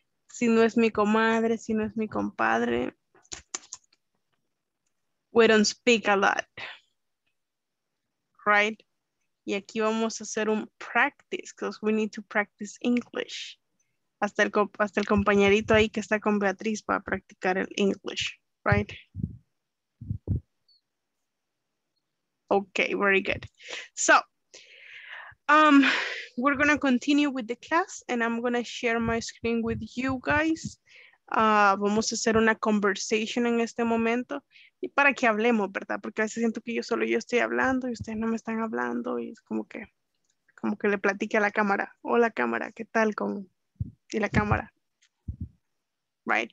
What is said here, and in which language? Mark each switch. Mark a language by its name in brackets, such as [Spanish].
[Spanish] Si no es mi comadre, si no es mi compadre, [English] we don't speak a lot. Right? [Spanish] Y aquí vamos a hacer un practice, [English] because we need to practice English. [Spanish] Hasta el compañerito ahí que está con Beatriz para practicar el English, right? [English] Okay, very good. So, we're gonna continue with the class and I'm gonna share my screen with you guys. [Spanish] Vamos a hacer una conversation en este momento y para que hablemos, ¿verdad? Porque a veces siento que yo estoy hablando y ustedes no me están hablando y es como que le platique a la cámara. Hola cámara, ¿qué tal con... y la cámara, right?